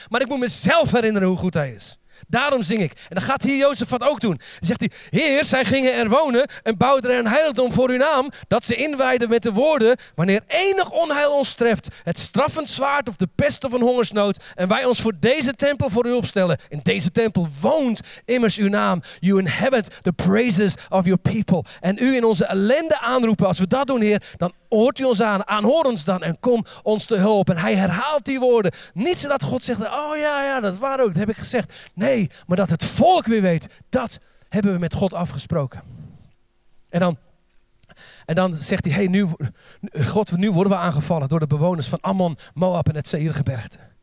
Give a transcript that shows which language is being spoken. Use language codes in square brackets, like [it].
[nl] Maar ik moet mezelf herinneren hoe goed hij is. Daarom zing ik. En dan gaat hier Jozefat ook doen. Dan zegt hij: Heer, zij gingen er wonen en bouwden er een heiligdom voor uw naam, dat ze inwijden met de woorden: wanneer enig onheil ons treft, het straffend zwaard of de pest of een hongersnood, en wij ons voor deze tempel voor u opstellen. In deze tempel woont immers uw naam. [en] You inhabit the praises of your people. [nl] En u in onze ellende aanroepen. Als we dat doen, Heer, dan hoort u ons aan. Aanhoor ons dan en kom ons te hulp. En hij herhaalt die woorden. Niet zodat God zegt: oh ja, ja, dat is waar ook, dat heb ik gezegd. Nee, maar dat het volk weer weet, dat hebben we met God afgesproken. En dan zegt hij: hey, nu, God, nu worden we aangevallen door de bewoners van Ammon, Moab en het Seirgebergte.